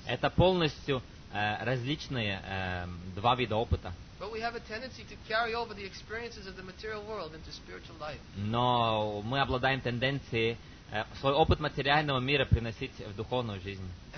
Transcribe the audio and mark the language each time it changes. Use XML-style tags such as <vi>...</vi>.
<ru>Это полностью различные два вида опыта.</ru> <en>But we have a tendency to carry over the experiences of the material world into spiritual life.</en> <ru>Но мы обладаем тенденцией свой опыт материального мира приносить в духовную жизнь.</ru>